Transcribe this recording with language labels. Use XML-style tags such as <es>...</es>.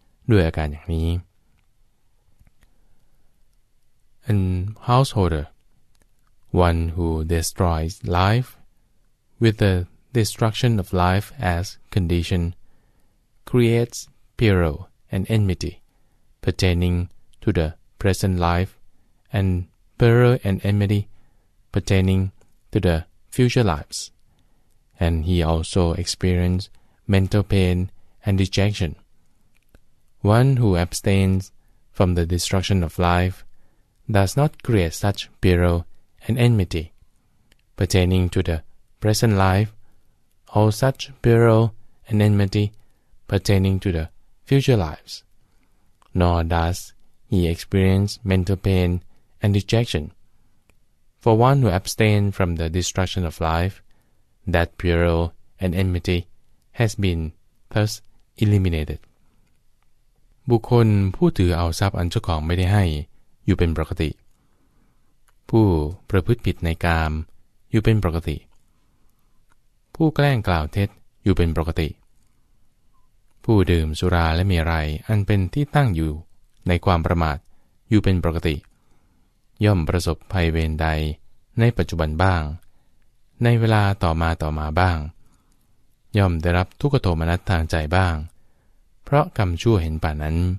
<th>ด้วยอาการอย่างนี้</th> <en>An householderOne who destroys life with the destruction of life as condition creates peril and enmity pertaining to the present life and peril and enmity pertaining to the future lives, and he also experienced mental pain and dejection. One who abstains from the destruction of life does not create such peril and enmity pertaining to the present life, or such peril and enmity pertaining to the future lives. Nor does he experience mental pain and dejection. For one who abstains from the destruction of life, that peril and enmity has been thus eliminated.</en> <th>บุคคลผู้ถือเอาทรัพย์อันเจ้าของไม่ได้ให้อยู่เป็นปกติผู้ประพฤติผิดในกามอยู่เป็นปกติ ผู้แกล้งกล่าวเท็จอยู่เป็นปกติผู้ดื่มสุราและมีอะไรอันเป็นที่ตั้งอยู่ในความประมาทอยู่เป็นปกติย่อมประสบภัยเวรใดในปัจจุบันบ้างในเวลาต่อมาบ้างย่อมได้รับทุกขโทมนัสทางใจบ้างเพราะกรรมชั่วเห็นป่านั้น</th>